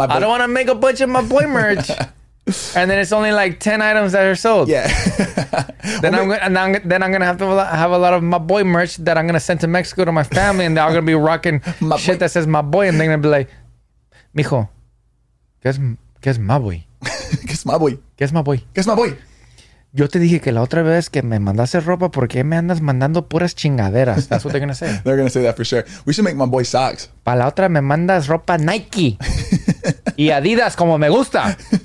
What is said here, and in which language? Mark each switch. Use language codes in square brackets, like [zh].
[en] I don't want to make a bunch of my boy merch. And then it's only like 10 items that are sold. Yeah. I'm gonna have a lot of my boy merch that I'm gonna send to Mexico to my family, and they're all gonna be rocking my shit boy that says my boy, and they're gonna be like, mijo, guess my boy. [es] Yo te dije que la otra vez que me mandaste ropa, ¿por qué me andas mandando puras chingaderas? [en] That's what they're gonna say. They're gonna say that for sure. We should make my boy socks. [es] Para la otra me mandas ropa Nike y Adidas como me gusta.